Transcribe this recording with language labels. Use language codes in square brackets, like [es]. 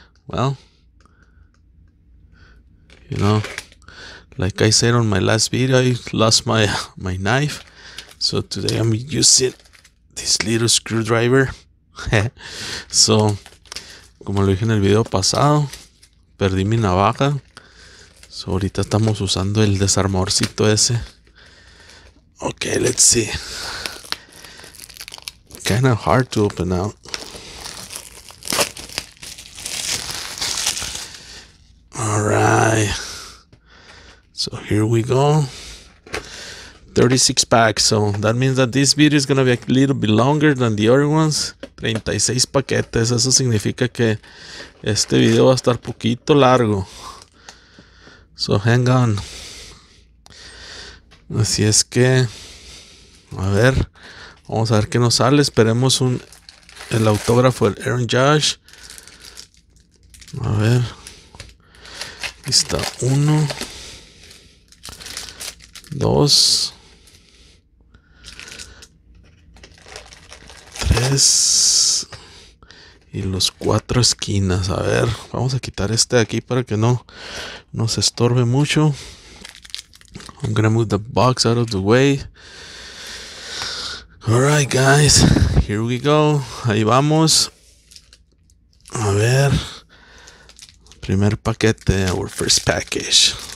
[en] Well, you know, like I said on my last video, I lost my knife. So today I'm using this little screwdriver. [es] So, como lo dije en el video pasado, perdí mi navaja. So ahorita estamos usando el desarmadorcito ese. [en] Okay, let's see. Kind of hard to open out. All right. So here we go. 36 packs. So that means that this video is going to be a little bit longer than the other ones. [es] 36 paquetes. Eso significa que este video va a estar poquito largo. [en] So hang on. [es] Así es que, a ver. Vamos a ver qué nos sale. Esperemos el autógrafo del Aaron Judge. A ver. Aquí está. Uno. Dos. Tres. Y los cuatro esquinas. A ver. Vamos a quitar este de aquí para que no nos estorbe mucho. [en] I'm gonna move the box out of the way. Alright guys, here we go. [es] Ahí vamos. A ver. Primer paquete, [en] our first package.